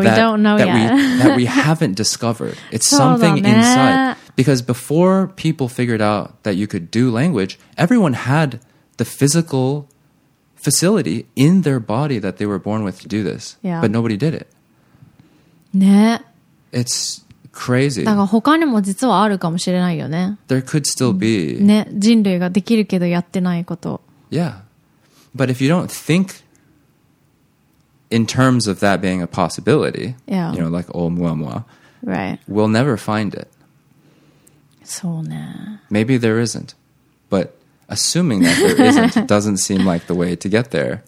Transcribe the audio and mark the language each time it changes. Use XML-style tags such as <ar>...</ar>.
<en>that we don't know yet. that we haven't discovered. It's something inside. Because before people figured out that you could do language, everyone had the physical facility in their body that they were born with to do this. Yeah. But nobody did it. It's crazy.</en> <ja>だから他にも実はあるかもしれないよね。</ja> <en>There could still be.</en> <ja>ね、人類ができるけどやってないこと。</ja> <en>Yeah. But if you don't think in terms of that being a possibility, yeah. you know, like oh, moi, moi, right. we'll never find it.</en> <ja>そうね。</ja> <en>Maybe there isn't. But assuming that there isn't doesn't seem like the way to get there.</en>